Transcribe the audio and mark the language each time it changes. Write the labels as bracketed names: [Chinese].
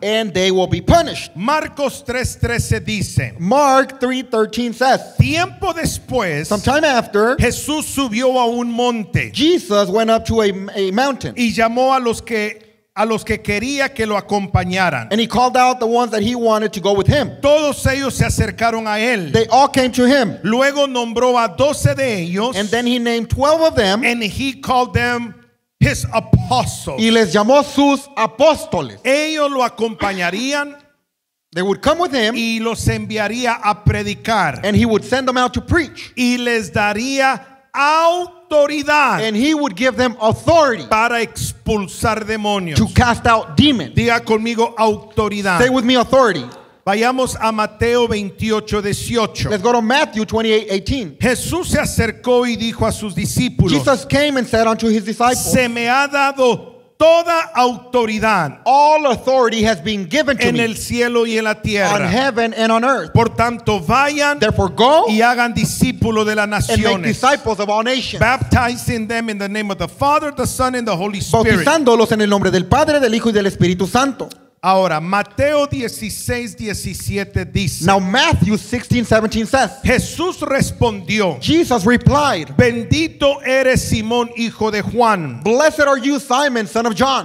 [English] and they will be punished. [Spanish] Marcos 3:13 dice, [English] Mark 3:13 says, [Spanish] tiempo después, [English] sometime after, [Spanish] Jesús subió a un monte, [English] Jesus went up to a mountain, [Spanish] y llamó a los que quería que lo acompañaran. [English] And he called out the ones that he wanted to go with him. [Spanish] Todos ellos se acercaron a él. [English] They all came to him. [Spanish] Luego nombró a 12 de ellos. [English] And then he named 12 of them. And he called them his apostles. [Spanish] Y les llamó sus apóstoles. Ellos lo acompañarían. [English] They would come with him. [Spanish] Y los enviaría a predicar. [English] And he would send them out to preach. [Spanish] Y les daría autoridad, [English] and he would give them authority, [Spanish] para expulsar demonios, [English] to cast out demons. [Spanish] Diga conmigo autoridad. [English] Say with me authority. [Spanish] Vayamos a Mateo 28:18. [English] Let's go to Matthew 28:18. [Spanish] Jesús se acercó y dijo a sus discípulos, [English] Jesus came and said unto his disciples, [Spanish] se me ha dado toda autoridad, [English] all authority has been given to [Spanish] en el cielo y en la tierra, [English] on heaven and on earth. [Spanish] Por tanto, vayan, [English] therefore go, [Spanish] y hagan discípulos de las naciones, [English] and make disciples of all nations, baptizing them in the name of the Father, the Son, and the Holy Spirit, [Spanish] bautizándolos en el nombre del Padre, del Hijo y del Espíritu Santo. Ahora, Mateo 16:17 dice, [English] now Matthew 16:17 says, [Spanish] Jesús respondió, [English] Jesus replied, [Spanish] bendito eres Simón, hijo de Juan, [English] blessed are you, Simon, son of John,